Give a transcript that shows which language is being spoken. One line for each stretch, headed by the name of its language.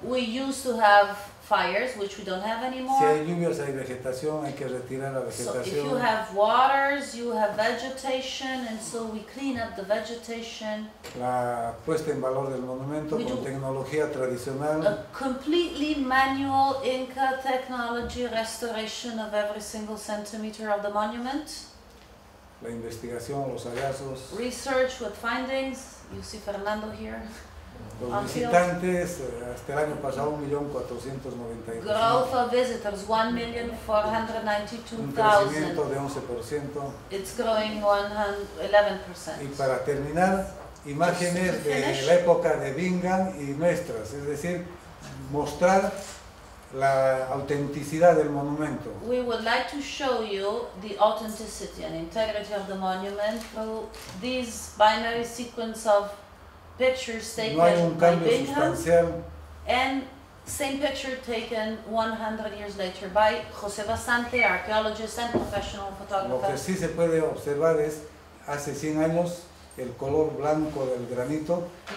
English: We used to have fires, which we don't have anymore.
Spanish: Si hay lluvias, hay vegetación, hay que retirar la vegetación.
English: So if you have waters, you have vegetation, and so we clean up the vegetation.
Spanish: La puesta en valor del monumento con tecnología tradicional.
English: A completely manual Inca technology restoration of every single centimeter of the monument.
Spanish: La investigación, los hallazgos.
English: Research with findings. You see Fernando here.
Spanish: Los visitantes, hasta el año pasado, 1,492,000.
English: Growth of visitors, 1,492,000.
Spanish: Un crecimiento de 11%.
English: It's growing 11%.
Spanish: Y para terminar, imágenes de la época de Bingham y nuestras, es decir, mostrar la autenticidad del monumento.
English: We would like to show you the authenticity and integrity of the monument through these binary sequence of pictures taken
Spanish: no hay un cambio
English: by Bingham
Spanish: sustancial.
English: And same picture taken 100 years later by José Bastante, archaeologist and professional photographer.
Spanish: Lo que sí se puede observar es hace 100 años el color blanco del granito.